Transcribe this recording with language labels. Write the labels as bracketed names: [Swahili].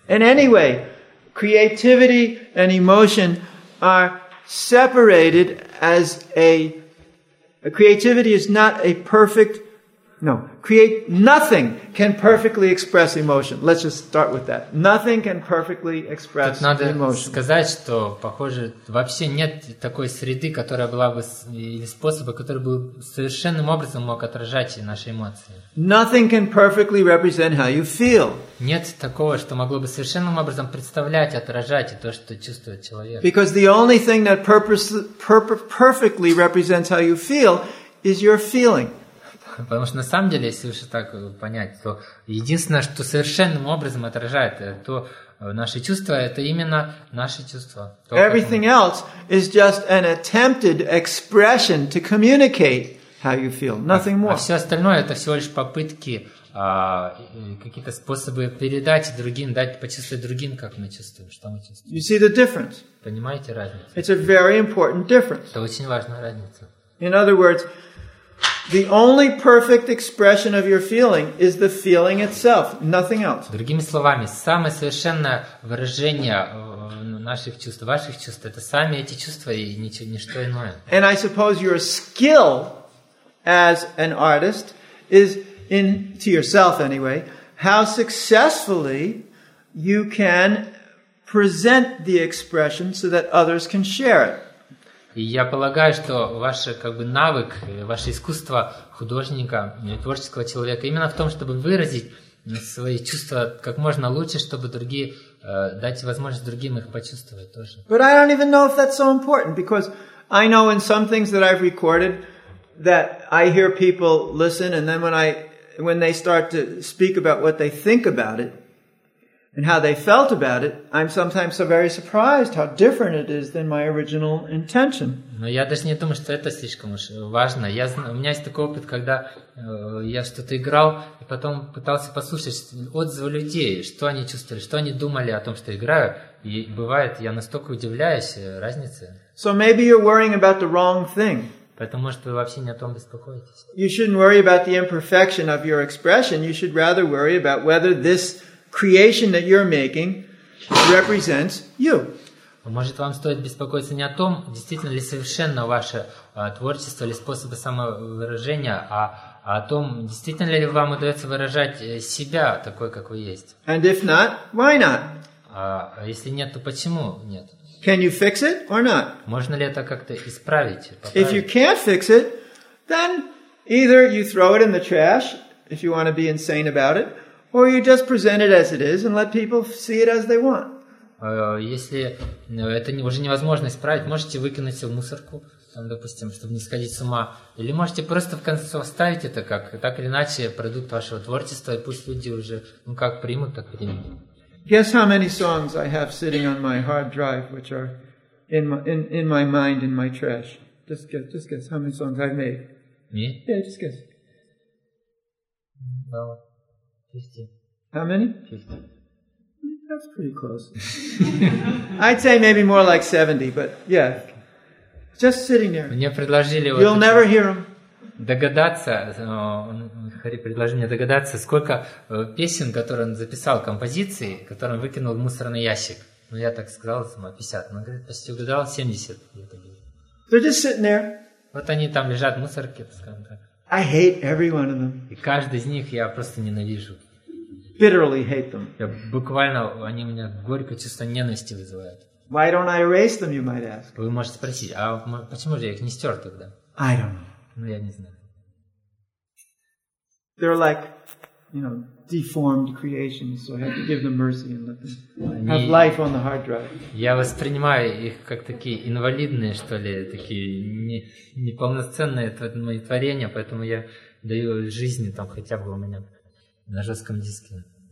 [English] And anyway, creativity and emotion are separated as a creativity is not a perfect. No, create nothing can perfectly express emotion. Let's just start with that. Nothing can perfectly express emotion. [Russian] Тут надо сказать, что, похоже, вообще нет такой среды, которая была бы или способа, который бы совершенным образом мог отражать наши эмоции. [English] Nothing can perfectly represent how you feel. [Russian] Нет такого, что могло бы совершенным образом представлять, отражать то, что чувствует человек. [English] Because the only thing that perfectly represents how you feel is your feeling. [Russian] Потому что на самом деле, если уж так понять, то единственное, что совершенным образом отражает то наши чувства, это именно наши чувства. То, [English] everything else is just an attempted expression to communicate how you feel, nothing more. [Russian] А все остальное это всего лишь попытки, какие-то способы передать другим, дать почувствовать другим, как мы чувствуем, что мы чувствуем. [English] You see the difference? [Russian] Понимаете разницу? [English] It's a very important difference. [Russian] Это очень важная разница. [English] In other words, the only perfect expression of your feeling is the feeling itself, nothing else. [Russian] Другими словами, самое совершенное выражение наших чувств, ваших чувств, это сами эти чувства и ничто иное. [English] And I suppose your skill as an artist is in to yourself anyway, how successfully you can present the expression so that others can share it. [Russian] И я полагаю, что ваш как бы навык, ваше искусство художника, творческого человека именно в том, чтобы выразить свои чувства как можно лучше, чтобы другие дать возможность другим их почувствовать тоже. [English] But I don't even know if that's so important, because I know in some things that I've recorded that I hear people listen, and then when they start to speak about what they think about it and how they felt about it, I'm sometimes so very surprised how different it is than my original intention. [Russian] Но я даже не думаю, что это слишком уж важно. У меня есть такой опыт, когда я что-то играл, и потом пытался послушать отзывы людей, что они чувствовали, что они думали о том, что играю. И бывает, я настолько удивляюсь разнице. [English] So maybe you're worrying about the wrong thing. [Russian] Поэтому, может, вы вообще не о том беспокоитесь. [English] You shouldn't worry about the imperfection of your expression. You should rather worry about whether this creation that you're making represents you. [Russian] Может, вам стоит беспокоиться не о том, действительно ли совершенно ваше творчество или способы самовыражения, а о том, действительно ли вам удается выражать себя такой, как вы есть. [English] And if not, why not? [Russian] Если нет, то почему нет? [English] Can you fix it or not? [Russian] Можно ли это как-то исправить? Поправить? [English] If you can't fix it, then either you throw it in the trash, if you want to be insane about it, or you just present it as it is and let people see it as they want. [Russian] Если это уже невозможно исправить, можете выкинуть все в мусорку, там, допустим, чтобы не сходить с ума. Или можете просто в конце концов оставить это как так или иначе продукт вашего творчества, и пусть люди уже как примут, так примут. [English] Guess how many songs I have sitting on my hard drive, which are in my mind, in my trash. Just guess how many songs I've made. Me? Yeah, just guess. About 50. How many? 50. That's pretty close. I'd say maybe more like 70, but yeah. Okay. Just sitting there. [Russian] Мне предложили. [English] You'll never hear them. [Russian] Догадаться, Хари предложил мне догадаться, сколько песен, которые он записал, композиции, которые он выкинул в мусорный ящик. Ну, я так сказал, 50. Он говорит, почти угадал, 70. [English] They're just sitting there. [Russian] Вот они там лежат в мусорке, так скажем так. [English] I hate every one of them. [Russian] И каждый из них я просто ненавижу. [English] Bitterly hate them. [Russian] Я буквально, они у меня горькое чувство ненависти вызывают. [English] Why don't I erase them, you might ask. [Russian] Вы можете спросить, а почему же я их не стер тогда? [English] I don't know. [Russian] Ну, я не знаю. [English] They're like, you know, deformed creations, so I have to give them mercy and let them have life on the hard drive. [Russian] Я воспринимаю их как такие инвалидные, что ли, такие неполноценные мои творения, поэтому я даю жизни там хотя бы у меня на жестком диске.